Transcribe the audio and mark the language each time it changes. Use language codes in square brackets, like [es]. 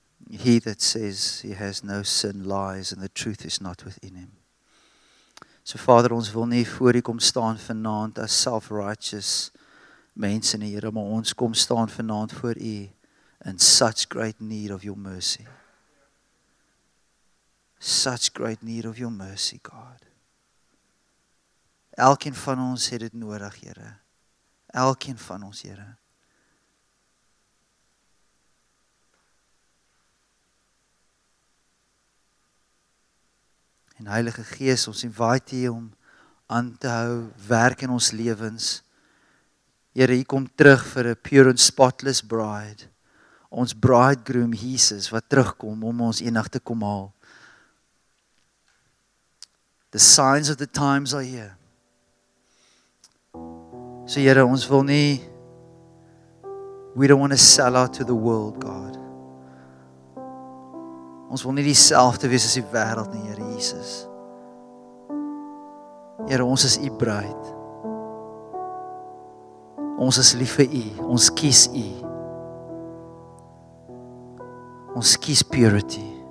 [en] He that says he has no sin lies and the truth is not within him. [af] So Vader, ons wil nie voor U kom staan vanaand as self-righteous mense nie, Here, maar ons kom staan vanaand voor U [en] in such great need of Your mercy. Such great need of Your mercy, God. [af] Elkeen van ons het dit nodig, Here. Elkeen van ons, Here. En Heilige Gees, ons invite U om aan te hou werk in ons lewens. Here, U kom terug vir 'n [en] pure and spotless bride. [af] Ons bridegroom Jesus wat terugkom om ons eendag te kom haal. [en] The signs of the times are here. [af] So Here, ons wil nie, [en] we don't want to sell out to the world, God. [af] Ons wil nie dieselfde wees as die wêreld nie, Here Jesus. Here, ons is U bruid. Ons is lief vir U, ons kies U. Ons kies purity.